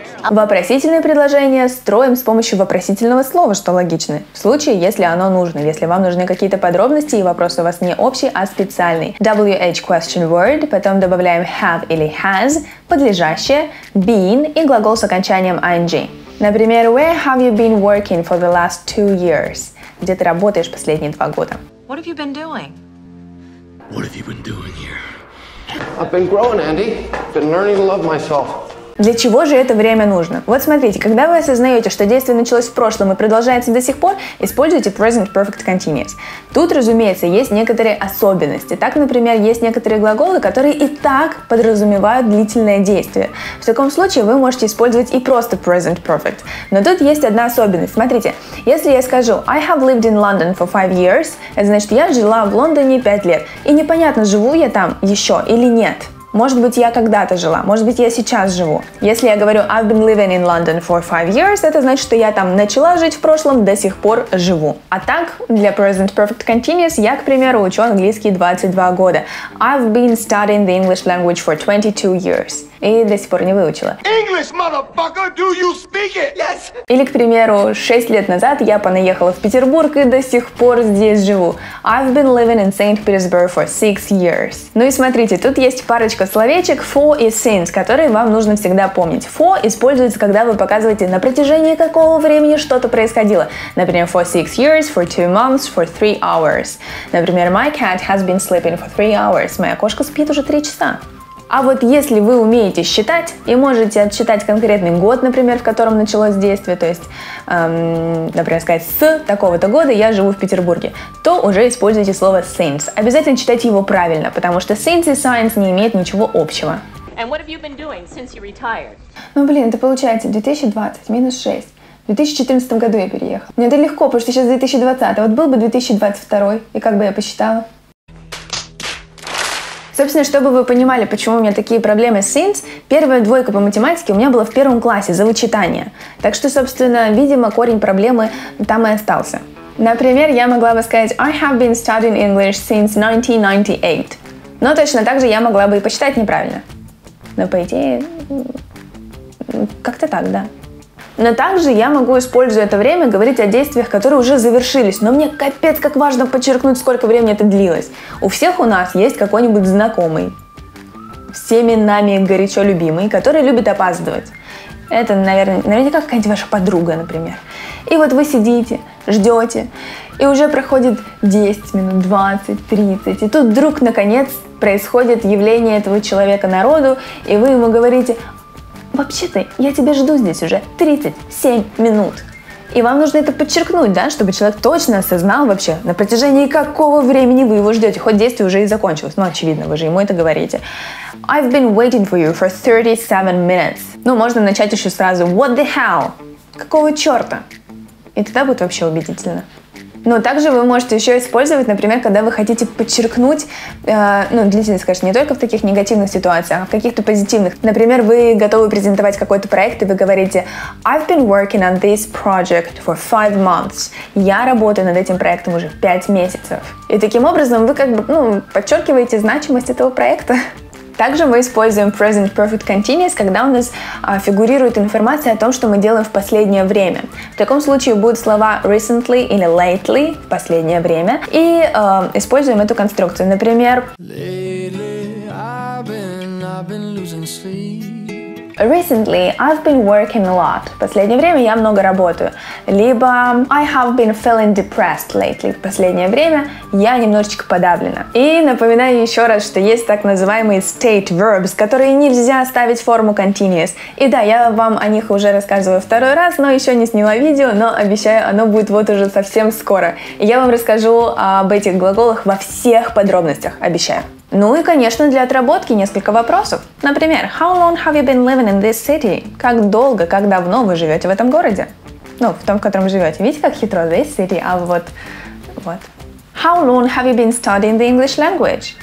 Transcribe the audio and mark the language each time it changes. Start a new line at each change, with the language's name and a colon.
Russian: Вопросительные предложения строим с помощью вопросительного слова, что логично. В случае, если оно нужно, если вам нужны какие-то подробности и вопрос у вас не общий, а специальный. WH question word, потом добавляем have или has, подлежащее, been и глагол с окончанием ing.
English: Например, where have you been working for the last 2 years?
Russian: Где ты работаешь последние 2 года?
English: What have you been doing? What have you been doing here? I've been growing, Andy. Been learning to love myself.
Russian: Для чего же это время нужно? Вот смотрите, когда вы осознаете, что действие началось в прошлом и продолжается до сих пор, используйте present perfect continuous. Тут, разумеется, есть некоторые особенности. Так, например, есть некоторые глаголы, которые и так подразумевают длительное действие. В таком случае вы можете использовать и просто present perfect. Но тут есть одна особенность. Смотрите, если я скажу
English: I have lived in London for 5 years,
Russian: это значит, я жила в Лондоне 5 лет. И непонятно, живу я там еще или нет. Может быть, я когда-то жила, может быть, я сейчас живу. Если я говорю
English: I've been living in London for 5 years,
Russian: это значит, что я там начала жить в прошлом, до сих пор живу. А так, для present perfect continuous, я, к примеру, учу английский 22 года.
English: I've been studying the English language for 22 years.
Russian: И до сих пор не выучила.
English: English, motherfucker, do you speak it? Yes.
Russian: Или, к примеру, 6 лет назад я понаехала в Петербург и до сих пор здесь живу.
English: I've been living in St. Petersburg for 6 years.
Russian: Ну и смотрите, тут есть парочка словечек for и since, которые вам нужно всегда помнить. For используется, когда вы показываете, на протяжении какого времени что-то происходило.
English: Например, for 6 years, for 2 months, for 3 hours. Например, my cat has been sleeping for 3 hours.
Russian: Моя кошка спит уже 3 часа. А вот если вы умеете считать и можете отсчитать конкретный год, например, в котором началось действие, то есть, например, сказать «с такого-то года я живу в Петербурге», то уже используйте слово «since». Обязательно читайте его правильно, потому что «since» и «science» не имеют ничего общего.
English: And what have you been doing since you retired?
Russian: Ну, блин, это получается 2020 минус 6. В 2014 году я переехала. Мне это легко, потому что сейчас 2020, а вот был бы 2022, и как бы я посчитала? Собственно, чтобы вы понимали, почему у меня такие проблемы с since, первая двойка по математике у меня была в первом классе за вычитание. Так что, собственно, видимо, корень проблемы там и остался. Например, я могла бы сказать
English: I have been studying English since 1998.
Russian: Но точно так же я могла бы и посчитать неправильно. Но по идее, как-то так, да. Но также я могу, используя это время, говорить о действиях, которые уже завершились. Но мне капец как важно подчеркнуть, сколько времени это длилось. У всех у нас есть какой-нибудь знакомый, всеми нами горячо любимый, который любит опаздывать. Это, наверное, какая-нибудь ваша подруга, например. И вот вы сидите, ждете, и уже проходит 10 минут, 20, 30, и тут вдруг, наконец, происходит явление этого человека народу, и вы ему говорите: «Вообще-то я тебя жду здесь уже 37 минут». И вам нужно это подчеркнуть, да, чтобы человек точно осознал вообще, на протяжении какого времени вы его ждете, хоть действие уже и закончилось. Ну, очевидно, вы же ему это говорите.
English: I've been waiting for you for 37 minutes.
Russian: Ну, можно начать еще сразу.
English: What the hell?
Russian: Какого черта? И тогда будет вообще убедительно. Но также вы можете еще использовать, например, когда вы хотите подчеркнуть, длительность, конечно, не только в таких негативных ситуациях, а в каких-то позитивных. Например, вы готовы презентовать какой-то проект, и вы говорите:
English: I've been working on this project for 5 months.
Russian: Я работаю над этим проектом уже 5 месяцев. И таким образом вы как бы, ну, подчеркиваете значимость этого проекта. Также мы используем Present Perfect Continuous, когда у нас фигурирует информация о том, что мы делаем в последнее время. В таком случае будут слова recently или lately, в последнее время, и используем эту конструкцию.
English: Например, lately I've been losing sleep. Recently I've been working a lot.
Russian: В последнее время я много работаю.
English: Либо I have been feeling depressed lately.
Russian: В последнее время я немножечко подавлена. И напоминаю еще раз, что есть так называемые state verbs, которые нельзя ставить в форму continuous. И да, я вам о них уже рассказываю второй раз, но еще не сняла видео, но обещаю, оно будет вот уже совсем скоро. И я вам расскажу об этих глаголах во всех подробностях, обещаю. Ну и, конечно, для отработки несколько вопросов.
English: Например, how long have you been living in this city?
Russian: Как долго, как давно вы живете в этом городе? Ну, в том, в котором живете. Видите, как хитро,
English: this city,
Russian: а вот, вот.
English: How long have you been studying the English language?